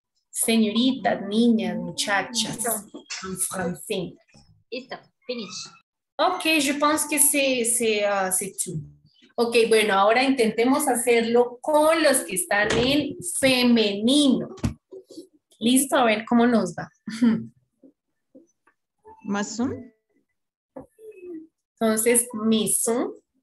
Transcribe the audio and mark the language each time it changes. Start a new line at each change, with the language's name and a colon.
Spanish: Señoritas, niñas, muchachas. En francés. Listo, finish.
French: Ok, je pense que c'est tout.
Spanish: Ok, bueno, ahora intentemos hacerlo con los que están en femenino. Listo, a ver cómo nos va.
French: Maison.
Spanish: Entonces, maison.